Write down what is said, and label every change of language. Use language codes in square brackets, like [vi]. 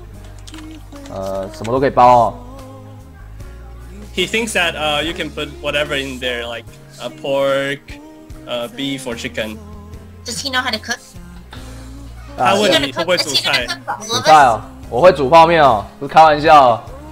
[zh] 我觉得那看起来应该是不只可以包鸡哦，也可以包牛、包猪，什么都可以包哦。 [en] He thinks that you can put whatever in there, like a pork, beef or chicken. Does he know how to cook? [zh] 他问你会不会煮菜？煮菜哦，我会煮泡面哦，不是开玩笑。